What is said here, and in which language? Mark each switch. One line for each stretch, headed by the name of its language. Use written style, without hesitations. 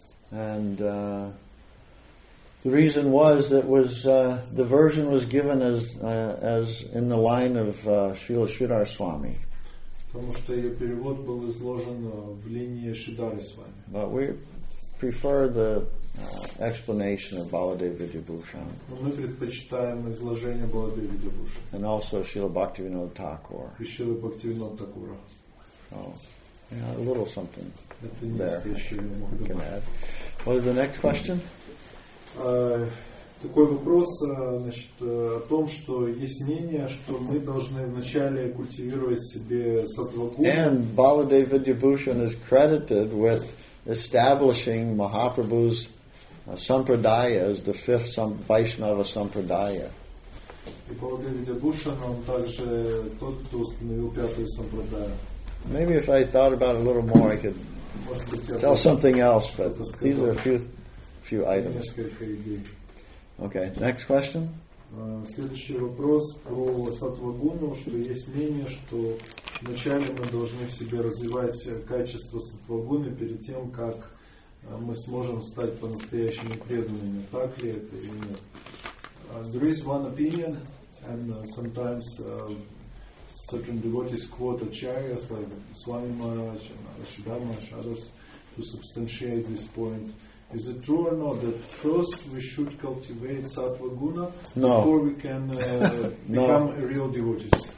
English: And the reason was that was the version was given as in the line of Srila Sridhar Swami.
Russian: Потому что ее перевод был изложен в линии Шридхара Свами.
English: But we prefer the explanation of Baladev Vidya Bhushan.
Russian: Мы предпочитаем изложение Баладев Видья Бхушан.
English: And also Srila Bhaktivinoda Thakur.
Russian: И Шрила Бхактивинода Такура.
English: Oh, yeah, a little something. What is the next question?
Russian: Такой вопрос, значит, о том, что есть мнение, что мы должны вначале культивировать себе сатвагуну.
English: And Baladev Vidya Bhushan is credited with establishing Mahaprabhu's sampradaya as the fifth Vaishnava sampradaya.
Russian: И Baladev Vidya Bhushan, он также тот, кто установил пятую сампрадаю.
English: Maybe if I thought about it a little more, I could tell something else, but these are a few items. Okay, next question.
Russian: Следующий вопрос про сатвагуну, что есть мнение, что вначале мы должны в себе развивать качество сатвагуны перед тем, как мы сможем стать по-настоящему преданными. Так ли это или нет?
English: There is one opinion, and sometimes certain devotees quote acharyas like Swami Maharaj and Ashudama and others to substantiate this point. Is it true or not that first we should cultivate sattva guna before we can become real devotees?